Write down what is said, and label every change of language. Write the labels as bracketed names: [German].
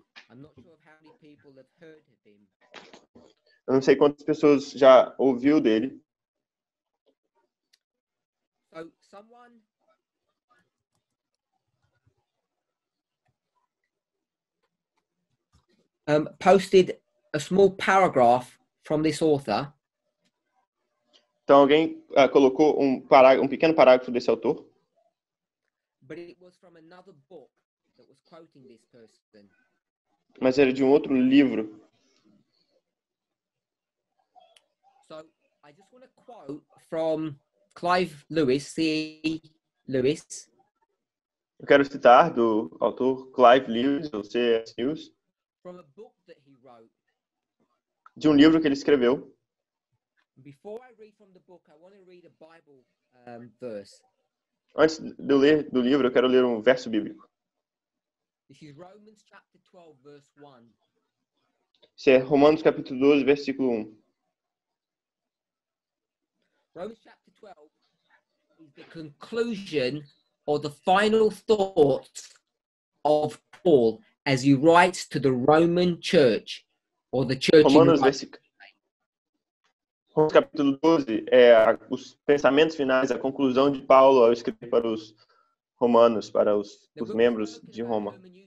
[English] I'm not sure how many people have heard of him. [Portuguese] Eu não sei quantas pessoas já ouviu dele. [English] So, someone posted a small paragraph from this author. [Portuguese] Então alguém colocou um pequeno parágrafo desse autor. [English] But it was from another book that was quoting this person. [Portuguese] Mas era de um outro livro. [English] So I just want to quote from Clive Lewis, C. Lewis. [Portuguese] Eu quero citar do autor Clive Lewis, ou C.S. Lewis. [English] From a book that he wrote. [Portuguese] De um livro que ele escreveu. [English] Before I read from the book, I want to read a Bible verse. [Portuguese] Antes de ler do livro, eu quero ler um verso bíblico. [English] This is Romans chapter 12, verse 1. [Portuguese] Isso é Romanos capítulo 12, versículo 1. [English] Romans chapter 12 is the conclusion or the final thought of Paul as he writes to the Roman church or the church [Portuguese] Romanos [English] in Rome. [Portuguese] Romanos capítulo 12 é os pensamentos finais, a conclusão de Paulo ao escrever para os romanos, para os membros de Roma.